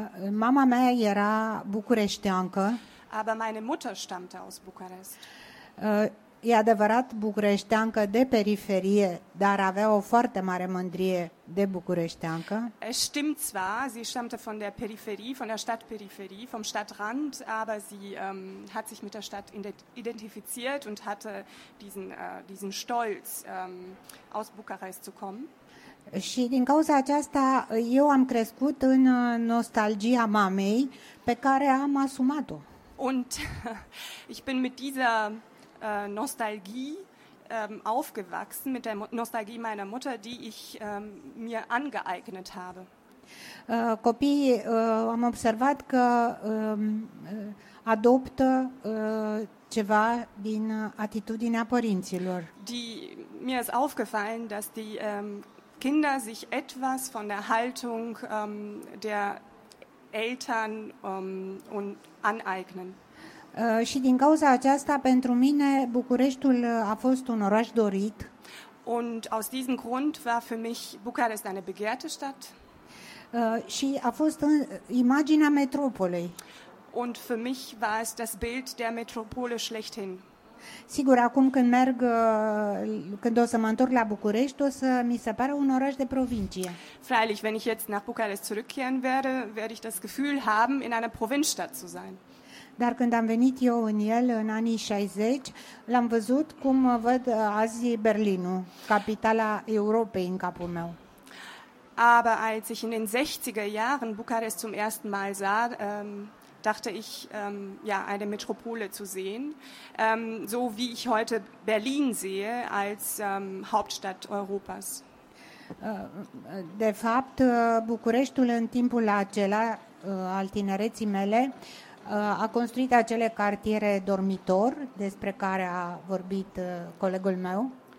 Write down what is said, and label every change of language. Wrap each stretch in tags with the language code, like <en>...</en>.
<ro>Mama mea era bucureșteancă.</ro> <de>Aber meine Mutter stammte aus Bucharest.</de> <ro>E adevărat bucureșteancă de periferie, dar avea o foarte mare mândrie de bucureșteancă.</ro> <de>Es stimmt zwar, sie stammte von der Peripherie, von der Stadtperipherie, vom Stadtrand, aber sie hat sich mit der Stadt identifiziert und hatte diesen Stolz, aus Bucharest zu kommen.</de> <ro>Și din cauza aceasta eu am crescut în nostalgia mamei pe care am asumat-o.</ro> <de>Und ich bin mit dieser Nostalgie aufgewachsen, mit der Nostalgie meiner Mutter, die ich mir angeeignet habe.</de> <ro>Copiii am observat că adoptă ceva din atitudinea părinților.</ro> <de>Mir ist aufgefallen, dass die Kinder sich etwas von der Haltung der Eltern und aneignen.</de> <ro>Și din cauza aceasta, pentru mine, Bucureștiul a fost un oraș dorit.</ro> <de>Und aus diesem Grund war für mich Bucharest eine begehrte Stadt.</de> <ro>Și a fost imaginea metropolei.</ro> <de>Und für mich war es das Bild der Metropole schlechthin.</de> <ro>Sigur, acum când merg, când o să mă întorc la București, o să mi se pară un oraș de provincie.</ro> <de>Freilich, wenn ich jetzt nach Bucharest zurückkehren werde, werde ich das Gefühl haben, in einer Provinzstadt zu sein.</de> <ro>Dar când am venit eu în el în anii 60, l-am văzut cum văd azi Berlinul, capitala Europei în capul meu.</ro> <de>Aber als ich in den 60er Jahren Bucharest zum ersten Mal sah, dachte ich, ja, eine Metropole zu sehen, so wie ich heute Berlin sehe als Hauptstadt Europas.</de> <ro>De fapt, Bucureștiul în timpul acela al tinereții mele a construit acele cartiere dormitor despre care a vorbit colegul meu.</ro>